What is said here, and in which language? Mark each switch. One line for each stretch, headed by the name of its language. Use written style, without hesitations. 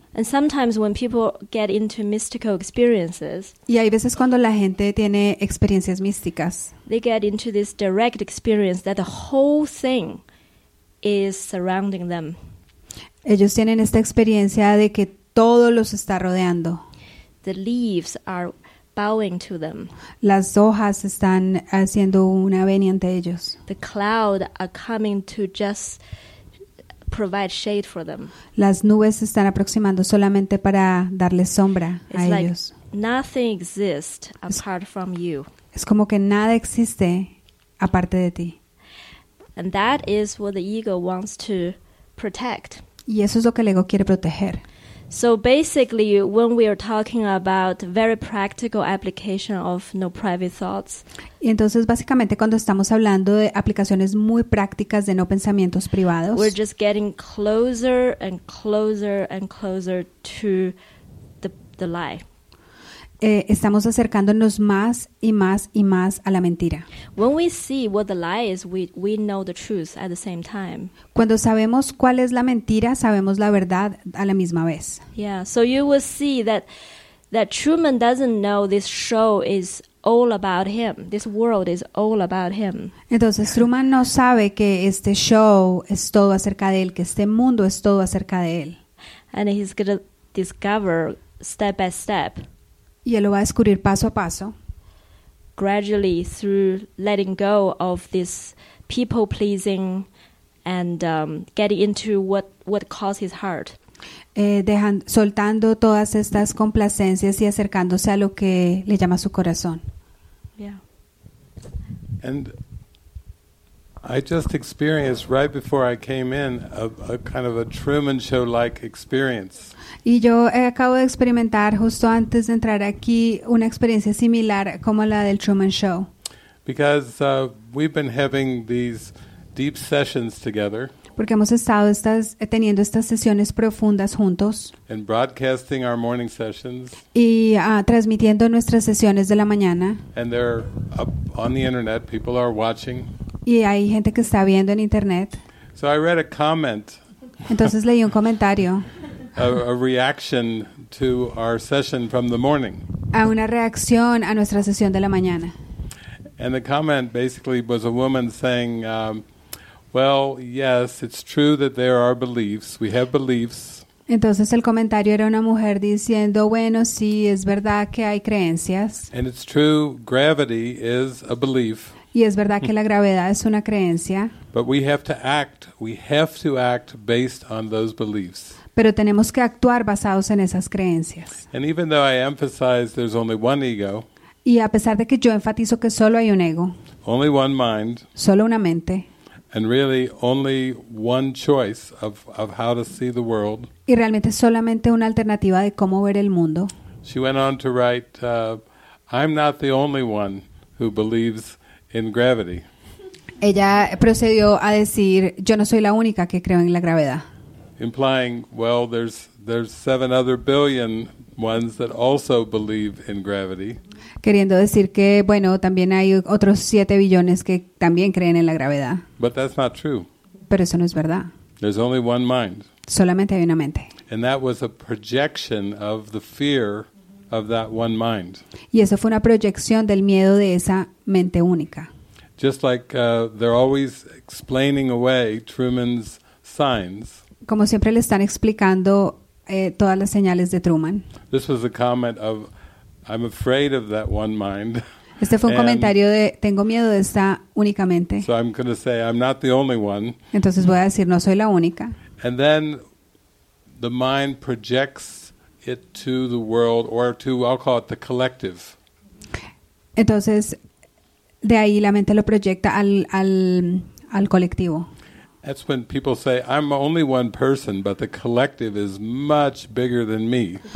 English: And sometimes when people get into mystical experiences,
Spanish: y hay veces cuando la gente tiene experiencias místicas,
English: they get into this direct experience that the whole thing is surrounding them.
Spanish: Ellos tienen esta experiencia de que todo los está rodeando.
English: The leaves are bowing to them.
Spanish: Las hojas están haciendo una venia ante ellos.
English: The clouds are coming to just provide shade for them.
Spanish: Las nubes están aproximando solamente para darles sombra a ellos.
English: Nothing exists apart from you.
Spanish: Es como que nada existe aparte de ti.
English: And that is what the ego wants to protect.
Spanish: Y eso es lo que el ego quiere proteger.
English: So basically, when we are talking about very practical application of no private thoughts,
Spanish: y entonces básicamente cuando estamos hablando de aplicaciones muy prácticas de no pensamientos privados,
English: we're just getting closer and closer and closer to the lie.
Spanish: Estamos acercándonos más y más y más a la mentira.
English: When we see what the lie is, we know the truth at the same time.
Spanish: Cuando sabemos cuál es la mentira, sabemos la verdad a la misma vez.
English: Yeah, so you will see that Truman doesn't know this show is all about him. This world is all about him.
Spanish: Entonces Truman no sabe que este show es todo acerca de él, que este mundo es todo acerca de él.
English: And he's going to discover step by step.
Spanish: Y él lo va a descubrir paso a paso.
English: Gradually through letting go of this people pleasing and getting into what caused his heart.
Spanish: Soltando todas estas complacencias y acercándose a lo que le llama su corazón. Yeah.
English: And I just experienced right before I came in a kind of a Truman Show like experience.
Spanish: Y yo acabo de experimentar justo antes de entrar aquí una experiencia similar como la del Truman Show.
English: We've been having these deep sessions together.
Spanish: Porque hemos estado teniendo estas sesiones profundas juntos.
English: And broadcasting our morning sessions.
Spanish: Y transmitiendo nuestras sesiones de la mañana.
English: And they're up on the internet. People are watching.
Spanish: Y hay gente que está viendo en internet.
English: So I read a comment.
Spanish: Entonces leí un comentario.
English: A reaction to our session from the morning.
Spanish: A una reacción a nuestra sesión de la mañana.
English: And the comment basically was a woman saying, "Well, yes, it's true that there are beliefs. We have beliefs."
Spanish: Entonces el comentario era una mujer diciendo, "Bueno, sí, es verdad que hay creencias."
English: And it's true, gravity is a belief.
Spanish: Y es verdad que la gravedad es una creencia.
English: But we have to act. We have to act based on those beliefs.
Spanish: Pero tenemos que actuar basados en esas creencias.
English: And even though I emphasize there's only one ego,
Spanish: y a pesar de que yo enfatizo que solo hay un ego,
English: only one mind,
Spanish: solo una mente,
English: and really only one choice of how to see the world,
Spanish: y realmente solamente una alternativa de cómo ver el mundo.
English: She went on to write, "I'm not the only one who believes in gravity."
Spanish: Ella procedió a decir, "Yo no soy la única que creo en la gravedad."
English: Implying, well, there's 7 other billion ones that also believe in gravity.
Spanish: Queriendo decir que, bueno, también hay otros 7 billones que también creen en la gravedad.
English: But that's not true.
Spanish: Pero eso no es verdad.
English: There's only one mind.
Spanish: Solamente hay una mente.
English: And that was a projection of the fear of that one mind.
Spanish: Y eso fue una proyección del miedo de esa mente única.
English: Just like they're always explaining away Truman's signs.
Spanish: Como siempre le están explicando todas las señales de Truman.
English: This was a comment of, "I'm afraid of that one mind."
Spanish: Este fue un comentario de, "Tengo miedo de esta única mente."
English: So I'm going to say, "I'm not the only one."
Spanish: Entonces voy a decir, "No soy la única."
English: And then the mind projects it to the world, or to, I'll call it, the collective.
Spanish: Entonces, de ahí la mente lo proyecta al colectivo.
English: That's when people say, "I'm only one person, but the collective is much bigger than me."